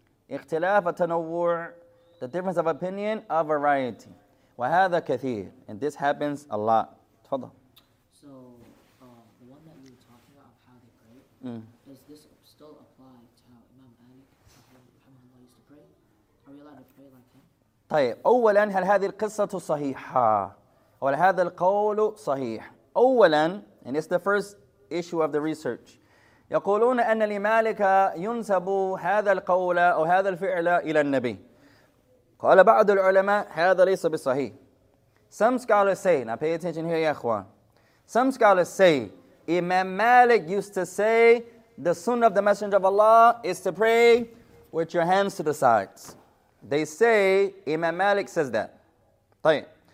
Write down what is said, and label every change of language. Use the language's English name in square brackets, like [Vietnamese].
[English] Ikhtilaf al-tanawwur, the difference of opinion of variety. [Arabic] وَهَذَا كَثِيرٌ. [English] And this happens a lot. [Arabic] تفضل. [English] So, the one that you were talking about, how they pray, does this still apply to how Imam Ali used to pray? Are we allowed to pray like him? [Arabic] طيب. أولاً هل هذه القصة صحيحة؟ أو هذا القول صحيح؟ أولاً, [English] and it's the first issue of the research, [Arabic] يقولون أن لمالك ينسب هذا القول أو هذا الفعل إلى النبي. قال بعض العلماء هذا ليس بالصحيح. [English] Some scholars say, now pay attention here, ya akhwan. Some scholars say, Imam Malik used to say, the sunnah of the Messenger of Allah is to pray with your hands to the sides. They say, Imam Malik says that. [Arabic] طيب.